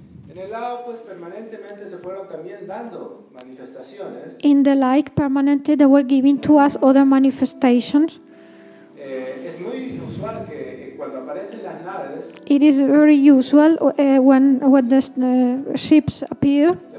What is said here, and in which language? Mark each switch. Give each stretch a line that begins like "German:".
Spanish: en el lado, pues, permanentemente se fueron también dando manifestaciones.
English: In the light, permanently they were giving to us other manifestations.
Spanish: Es muy usual que cuando aparecen las naves,
English: it is very usual when the ships appear.